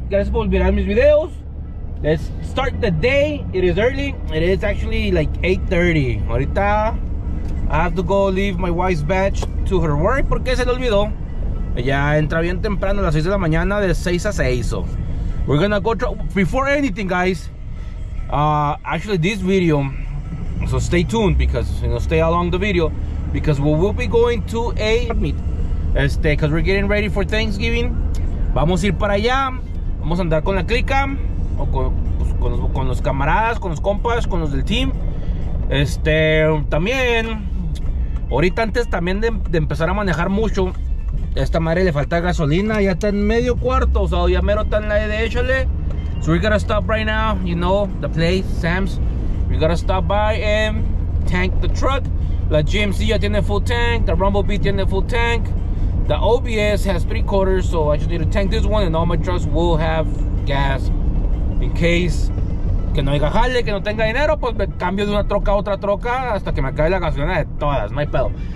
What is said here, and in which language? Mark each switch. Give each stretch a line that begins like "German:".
Spanish: Gracias por volver a mis videos.
English: Let's start the day. It is early. It is actually like 8:30. Ahorita I have to go leave my wife's batch to her work
Spanish: porque se le olvidó. Ella entra bien temprano a las 6 de la mañana, de 6 a 6.
English: So we're gonna go before anything, guys. Actually, this video, so stay tuned because, you know, stay along the video because we will be going to a meet. Because we're getting ready for Thanksgiving.
Spanish: Vamos a ir para allá. Vamos a andar con la clica o con, pues, con los camaradas, con los compas, con los del team. También ahorita antes también de empezar a manejar mucho, esta madre le falta gasolina, ya está en medio cuarto, o sea, ya mero está en la de échale.
English: So we gotta stop right now, you know, the place, Sam's. We gotta stop by and tank the truck.
Spanish: La GMC ya tiene full tank, the Rumble B tiene full tank.
English: The OBS has 3/4, so I just need to tank this one and all my trucks will have gas in case
Spanish: que no haya jale, que no tenga dinero, pues me cambio de una troca a otra troca hasta que me acabe la gasolina de todas, no hay pedo.